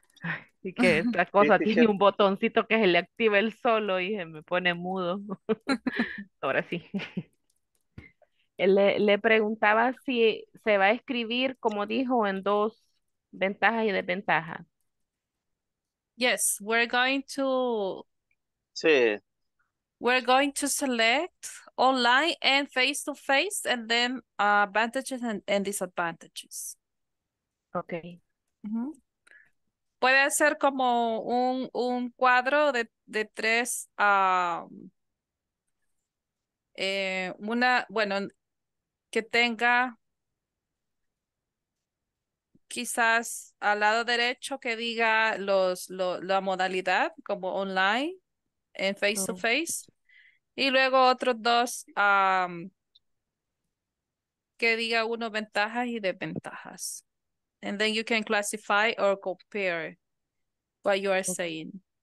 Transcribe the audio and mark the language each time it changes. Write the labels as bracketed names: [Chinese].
[Spanish] Así que esta cosa sí, tiene un botoncito que se le activa el solo y se me pone mudo. Ahora sí. Le preguntaba si se va a escribir, como dijo, en dos ventajas y desventajas. [English] Yes, we're going to. [Spanish] Sí. [English] We're going to select online and face to face, and then advantages and disadvantages. Okay. Mm-hmm. [Spanish] Puede ser como un cuadro de tres una bueno que tenga. Quizás al lado derecho que diga la modalidad como online en [English] face to face [Spanish] y luego otros dos que diga uno ventajas y desventajas. [English] And then you can classify or compare what you are saying.